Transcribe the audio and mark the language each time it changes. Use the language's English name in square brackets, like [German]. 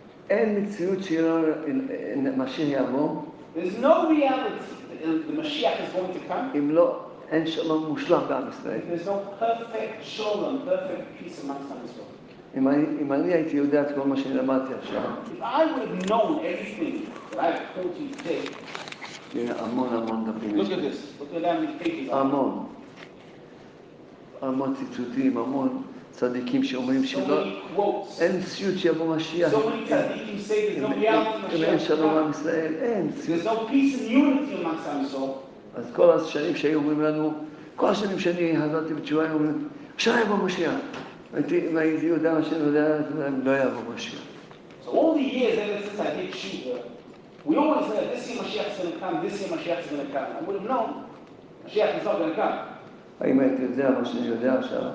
[Hebrew] אין מציאות שלא משיח יבוא. [English] There's no reality that the Mashiach is going to come. [Hebrew] אם לא, אין שלום מושלם בעם ישראל. [English] There's no perfect shalom, perfect peace amongst them as well. [Hebrew] אם אני הייתי יודע את כל מה שלמדתי עכשיו. [English] If I would have known everything that I've told you today. [Hebrew] תראה, המון המון דברים. [English] Look at this. [Hebrew] המון ציטוטים, המון צדיקים שאומרים שלא. אין מציאות שיבוא משיח. [English] So many צדיקים say there's no reality [Hebrew] משיח. אם אין שלום עם ישראל, אין. [English] There's no peace and unity amongst them all. [Hebrew] אז כל השנים שהיו אומרים לנו, כל השנים שאני חזרתי בתשובה, הם אומרים, עכשיו יבוא משיח. אם הייתי יודע מה שאני יודע, הם לא יבוא משיח. [English] So all the years ever since I did Shiva, we always said, this year Mashiach is going to come, this year Mashiach is going to come. I would have known, Mashiach is not going to come. [Hebrew] אם הייתי יודע מה שאני יודע עכשיו.